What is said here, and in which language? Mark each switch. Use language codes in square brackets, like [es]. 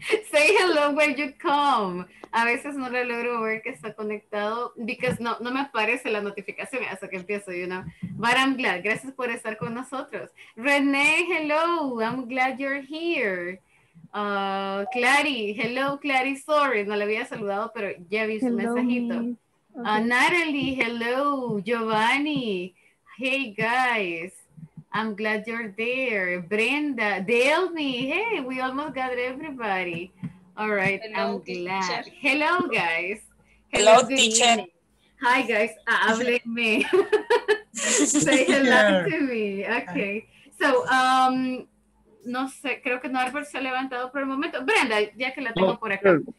[en] Say hello when you come. [es] A veces no lo logro ver que está conectado because no me aparece la notificación hasta que empiezo, you know. [en] But I'm glad. [es] Gracias por estar con nosotros. René, hello. [en] I'm glad you're here. Clary, hello, Clary. [es] Sorry, no le había saludado, pero ya vi su mensajito. Me. Okay. [en] Natalie, hello, Giovanni, hey guys, I'm glad you're there, Brenda, Delmi, hey, we almost got everybody, all right, hello, I'm glad, teacher. Hello guys, hello teacher, [es] hi guys, hableme, [en] say hello to me, okay, so, [es] no sé, creo que Norbert se ha levantado por el momento, Brenda, ya que la tengo por acá.